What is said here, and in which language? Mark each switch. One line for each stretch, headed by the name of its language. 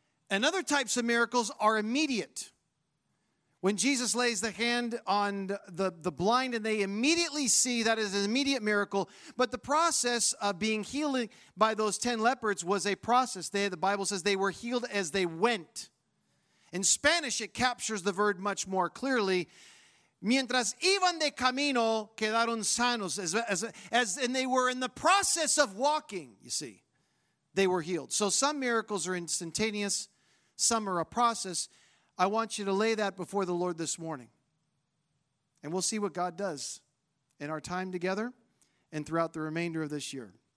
English: And other types of miracles are immediate. When Jesus lays the hand on the blind and they immediately see, that is an immediate miracle. But the process of being healed by those 10 leopards was a process. The Bible says they were healed as they went. In Spanish, it captures the verb much more clearly.
Spanish: Mientras iban de camino, quedaron sanos.
English: And they were in the process of walking, you see. They were healed. So some miracles are instantaneous. Some are a process. I want you to lay that before the Lord this morning. And we'll see what God does in our time together and throughout the remainder of this year.